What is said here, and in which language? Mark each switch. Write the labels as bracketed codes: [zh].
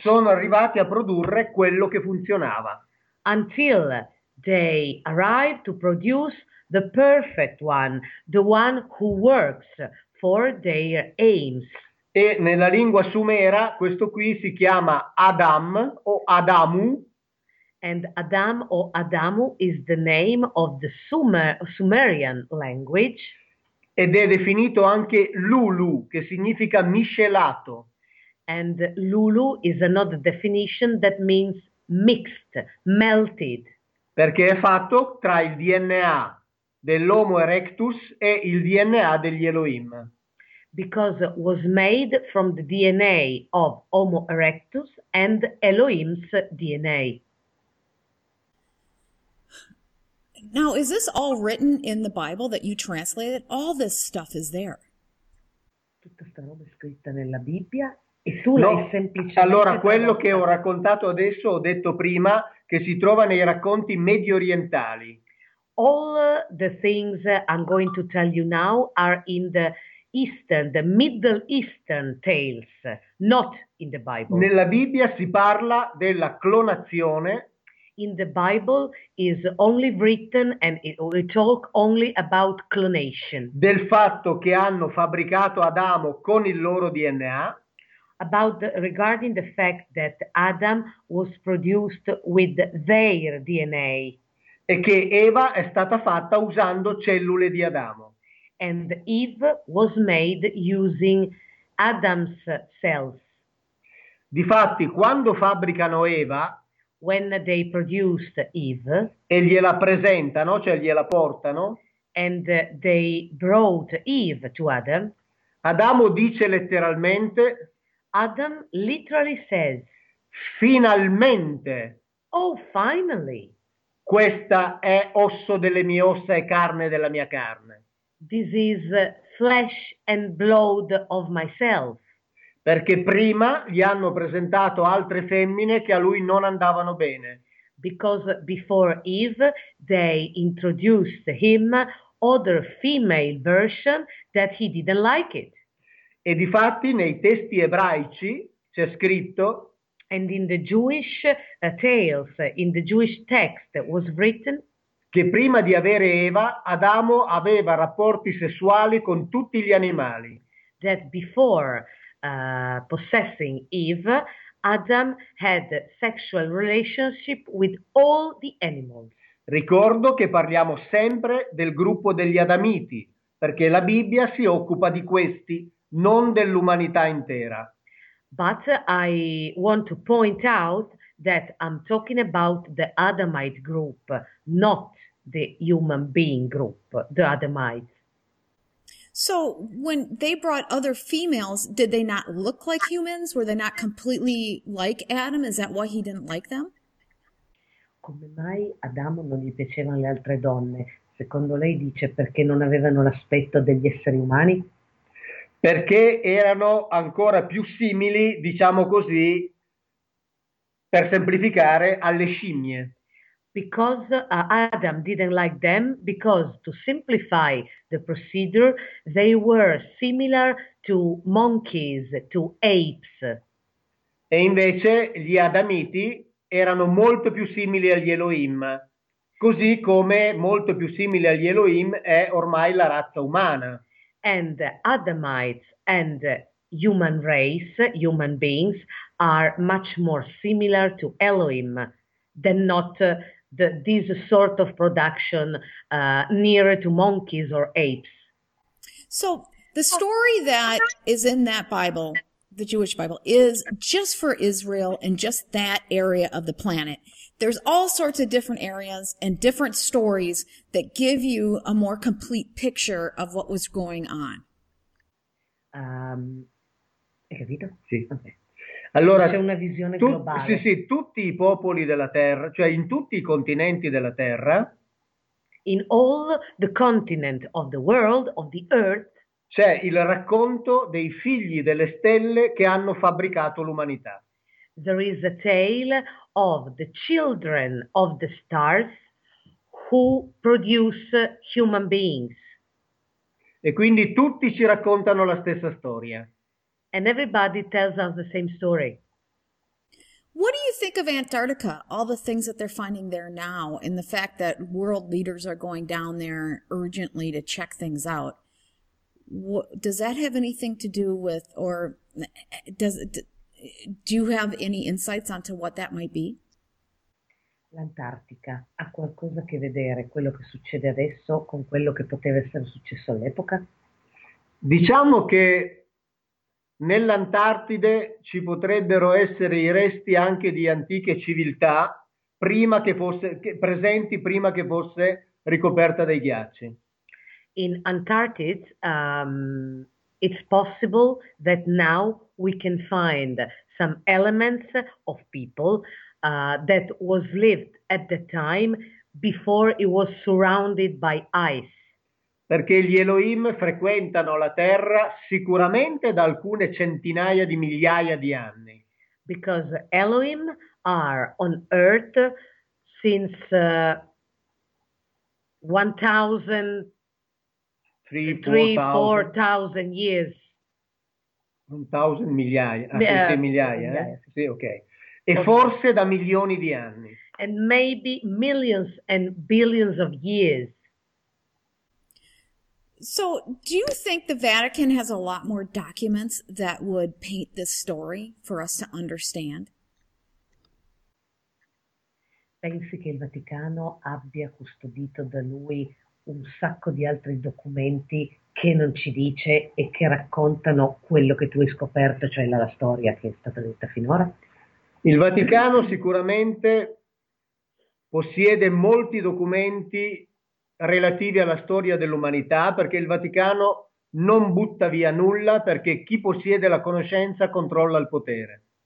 [it] sono arrivati a produrre quello che funzionava. [en] Until they arrive to produce the perfect one, the one who works for their aims. [it] E nella lingua sumera questo qui si chiama Adam o Adamu. [en] And Adam o Adamu is the name of the Sumerian language. [it] Ed è definito anche Lulu, che significa miscelato. [en] And Lulu is another definition that means mixed, melted. [it] Perché è fatto tra il DNA dell'Homo erectus e il DNA degli Elohim. [en] Because it was made from the DNA of Homo erectus and Elohim's DNA. Now, is this all written in the Bible that you translated? All this stuff is there. [it] Tutta questa roba è scritta nella Bibbia e tu l'hai No, semplicemente allora quello che ho tradotta. raccontato adesso, ho detto prima, che si trova nei racconti medio orientali. [en] All the things I'm going to tell you now are in the Eastern, the Middle Eastern tales, not in the Bible. [it] Nella Bibbia si parla della clonazione. [en] in the Bible is only written and it we talk only about clonation. [it] del fatto che hanno fabbricato Adamo con il loro DNA. [en] About the, regarding the fact that Adam was produced with their DNA. [it] E che Eva è stata fatta usando cellule di Adamo. [en] And Eve was made using Adam's cells. [it] Difatti, quando fabbricano Eva [en] When they produced Eve, [it] e gliela presentano, cioè gliela portano, [en] and they brought Eve to Adam, [it] Adamo dice letteralmente: [en] Adam literally says, [it] finalmente, [en] Oh, finally! [it] questa è osso delle mie ossa e carne della mia carne. [en] This is flesh and blood of myself. [it] Perché prima gli hanno presentato altre femmine che a lui non andavano bene. [en] Because before Eve, they introduced him other female version that he didn't like [it] E difatti nei testi ebraici c'è scritto: [en] it. And in the Jewish tales, in the Jewish text was written, [it] che prima di avere Eva, Adamo aveva rapporti sessuali con tutti gli animali. [en] that before possessing Eve, Adam had sexual relationship with all the animals. [it] Ricordo che parliamo sempre del gruppo degli Adamiti, perché la Bibbia si occupa di questi, non dell'umanità intera. [en] But I want to point out that I'm talking about the Adamite group, not the human being group, the Adamites. So when they brought other females, did they not look like humans? Were they not completely like Adam? Is that why he didn't like them? [it] Come mai Adamo non gli piacevano le altre donne? Secondo lei dice perché non avevano l'aspetto degli esseri umani? Perché erano ancora più simili, diciamo così, per semplificare, alle scimmie. [en] Because Adam didn't like them, because to simplify the procedure, they were similar to monkeys, to apes. [it] E invece gli Adamiti erano molto più simili agli Elohim, così come molto più simile agli Elohim è ormai la razza umana. [en] And Adamites and human race, human beings, are much more similar to Elohim than not this sort of production nearer to monkeys or apes. So the story that is in that Bible, the Jewish Bible, is just for Israel and just that area of the planet. There's all sorts of different areas and different stories that give you a more complete picture of what was going on. [it] Hai capito? Sì. C'è Allora, una visione globale. sì, tutti i popoli della Terra, cioè in tutti i continenti della Terra, [en] In all the continent of the world, of the earth, [it] c'è il racconto dei figli delle stelle che hanno fabbricato l'umanità. [en] there is a tale of the children of the stars who produce human beings. [it] E quindi tutti ci raccontano la stessa storia. [en] And everybody tells us the same story. What do you think of Antarctica? All the things that they're finding there now, and the fact that world leaders are going down there urgently to check things out. What, does that have anything to do with, or does it, do you have any insights onto what that might be? [it] L'Antartica ha qualcosa a che vedere quello che succede adesso con quello che poteva essere successo all'epoca? Diciamo che nell'Antartide ci potrebbero essere i resti anche di antiche civiltà presenti prima che fosse ricoperta dai ghiacci. [en] In Antarctica, it's possible that now we can find some elements of people that was lived at the time before it was surrounded by ice. [it] Perché gli Elohim frequentano la Terra sicuramente da alcune centinaia di migliaia di anni. [en] Because Elohim are on Earth since 1000 3, 3, 4,000. 4,000 years. [it] 1,000 migliaia. Ah, sì, migliaia, eh? Migliaia, sì. Sì, ok. E Ovviamente. forse da milioni di anni. [en] and maybe millions and billions of years. So, do you think the Vatican has a lot more documents that would paint this story for us to understand? [it] Pensi che il Vaticano abbia custodito da lui un sacco di altri documenti che non ci dice e che raccontano quello che tu hai scoperto, cioè la storia che è stata detta finora? Il Vaticano sicuramente possiede molti documenti relativi alla storia dell'umanità, perché il Vaticano non butta via nulla, perché chi possiede la conoscenza controlla il potere.